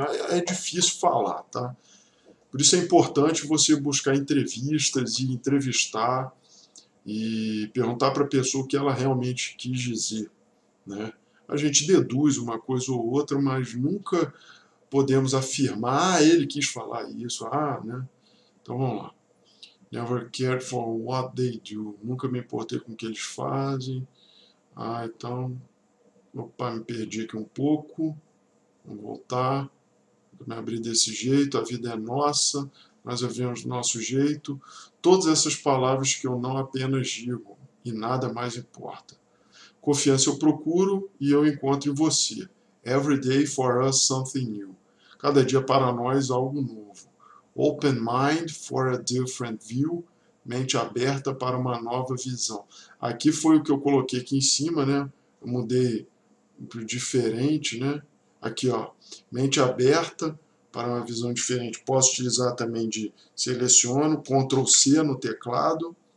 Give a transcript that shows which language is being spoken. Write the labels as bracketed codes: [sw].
[pt] É difícil falar, tá? Por isso é importante você buscar entrevistas e entrevistar e perguntar para a pessoa o que ela realmente quis dizer, né? A gente deduz uma coisa ou outra, mas nunca podemos afirmar: ah, ele quis falar isso, ah, né? Então vamos lá. [en] Never cared for what they do. [pt] Nunca me importei com o que eles fazem. Ah, então. Opa, me perdi aqui um pouco. Vou voltar. Vou me abrir desse jeito. A vida é nossa, nós vivemos do nosso jeito. Todas essas palavras que eu não apenas digo, e nada mais importa. Confiança eu procuro e eu encontro em você. [en] Every day for us something new. [pt] Cada dia para nós algo novo. [en] Open mind for a different view. [pt] Mente aberta para uma nova visão. Aqui foi o que eu coloquei aqui em cima, né? Eu mudei para diferente, né? Aqui, ó. Mente aberta para uma visão diferente. Posso utilizar também de seleciono, Ctrl C no teclado.